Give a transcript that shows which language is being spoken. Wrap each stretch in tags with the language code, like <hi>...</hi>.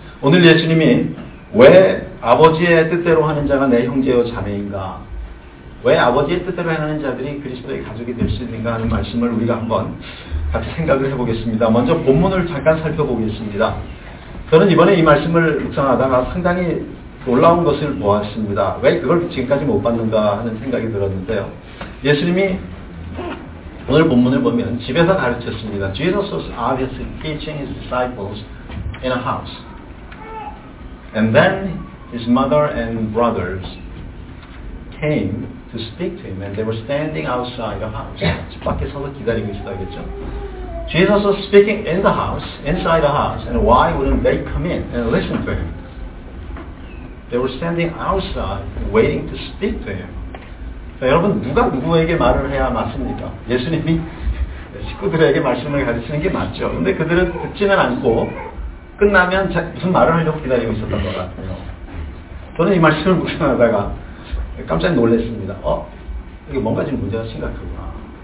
<ko>오늘 예수님이 왜 아버지의 뜻대로 하는 자가 내 형제여 자매인가, 왜 아버지의 뜻대로 행하는 자들이 그리스도의 가족이 될 수 있는가 하는 말씀을 우리가 한번 같이 생각을 해보겠습니다. 먼저 본문을 잠깐 살펴보겠습니다. 저는 이번에 이 말씀을 묵상하다가 상당히 놀라운 것을 보았습니다. 왜 그걸 지금까지 못 봤는가 하는 생각이 들었는데요. 예수님이 오늘 본문을 보면 집에서 가르쳤습니다.</ko> <en>Jesus was obviously teaching his disciples in a house. And then his mother and brothers came to speak to him and they were standing outside the house.</en> <ko>집 밖에 서서 기다리고 있었겠죠.</ko> <en>Jesus was speaking in the house, inside the house, and why wouldn't they come in and listen to him? They were standing outside, waiting to speak to him.</en> <ko>자, 여러분, 누가 누구에게 말을 해야 맞습니까? 예수님이 식구들에게 말씀을 가르치는 게 맞죠. 근데 그들은 듣지는 않고, 끝나면 무슨 말을 하려고 기다리고 있었던 것 같아요. 저는 이 말씀을 묵상하다가 깜짝 놀랐습니다. 이게 뭔가 지금 문제가 심각하구나.</ko>